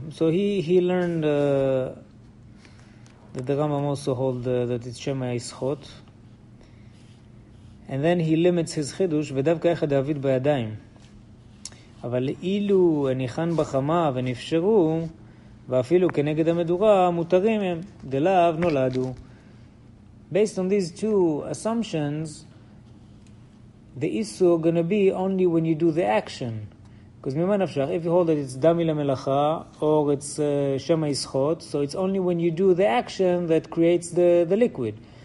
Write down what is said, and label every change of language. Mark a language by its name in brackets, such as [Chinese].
[English] So he learned that the Rambam also hold that it's Shema Yischot. And then he limits his chidush, [Hebrew] ודווקא אחד דוד בידיים. אבל אילו הניחן בחמה ונפשרו, ואפילו כנגד המדורה, מותרים הם, דלאב נולדו. [English] Based on these two assumptions, the issue is going to be only when you do the action. Because [Hebrew] ממה נפשך, [English] if you hold that it's דמי למלאכה, or it's שם הישחות, so it's only when you do the action that creates the liquid.